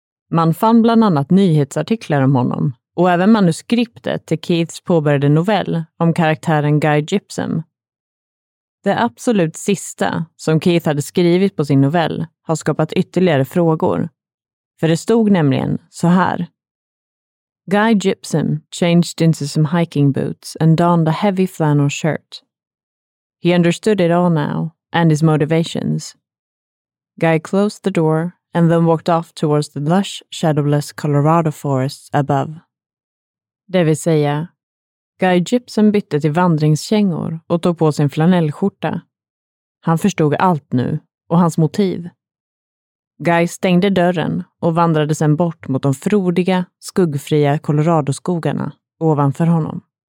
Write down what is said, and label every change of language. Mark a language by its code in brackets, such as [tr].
[sv] Man fann bland annat nyhetsartiklar om honom och även manuskriptet till Keiths påbörjade novell om karaktären Guy Gypsum. Det absolut sista som Keith hade skrivit på sin novell har skapat ytterligare frågor. För det stod nämligen så här. [en] Guy Gypsum changed into some hiking boots and donned a heavy flannel shirt. He understood it all now and his motivations. Guy closed the door and then walked off towards the lush, shadowless Colorado forests above. [sv] Det vill säga, Guy Gypsum bytte till vandringskängor och tog på sin flanellskjorta. Han förstod allt nu och hans motiv. Guy stängde dörren och vandrade sedan bort mot de frodiga, skuggfria Coloradoskogarna ovanför honom.